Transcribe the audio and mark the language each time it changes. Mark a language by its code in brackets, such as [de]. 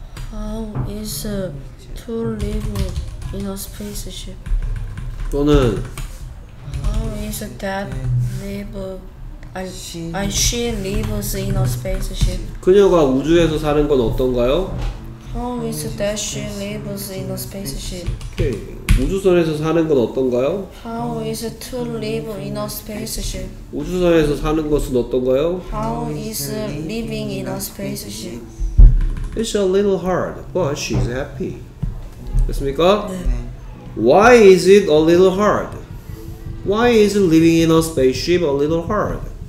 [en] How is to live in a spaceship? [ko] 또는 [en] How is that live And she lives in a spaceship. [ko] 그녀가 우주에서 사는 건 어떤가요? [en] How is that she lives in a spaceship? Okay. [ko] 우주선에서 사는 건 어떤가요? [en] How is it to live in a spaceship? [ko] 우주선에서 사는 것은 어떤가요? [en] How is living in a spaceship? It's a little hard, but she's happy. [ko] 됐습니까? 네. [en] Why is it a little hard? Why is living in a spaceship a little hard?